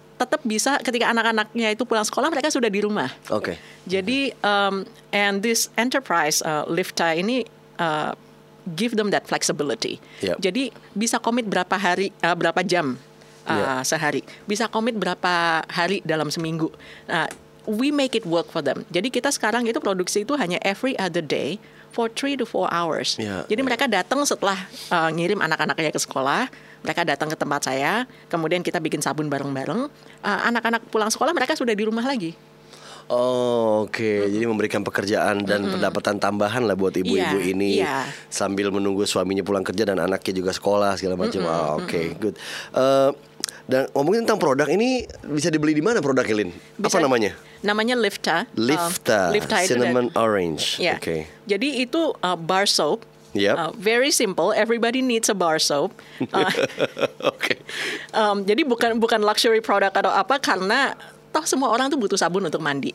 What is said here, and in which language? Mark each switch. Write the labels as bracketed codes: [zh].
[id] tetap bisa ketika anak-anaknya itu pulang sekolah, mereka sudah di rumah. Oke. Okay. [en] Jadi and this enterprise Lifta ini give them that flexibility. Yep. [id] Jadi bisa komit berapa hari berapa jam sehari. Bisa komit berapa hari dalam seminggu. [en] We make it work for them. [id] Jadi kita sekarang itu produksi itu hanya [en] every other day for 3 to 4 hours. Yeah, [id] jadi mereka datang setelah ngirim anak-anaknya ke sekolah, mereka datang ke tempat saya, kemudian kita bikin sabun bareng-bareng. Anak-anak pulang sekolah, mereka sudah di rumah lagi. Oh, oke. Jadi memberikan pekerjaan dan pendapatan tambahan lah buat ibu-ibu ini sambil menunggu suaminya pulang kerja dan anaknya juga sekolah segala macam. Oke, good. Dan ngomongin tentang produk ini, bisa dibeli di mana produknya, Lin? Apa namanya? Namanya Lifta. Lifta. Lifta cinnamon itu, orange. Yeah. Okay. Jadi itu bar soap. Yep. [en] Very simple. Everybody needs a bar soap. Okay. [id] Jadi bukan luxury product atau apa, karena toh semua orang tuh butuh sabun untuk mandi.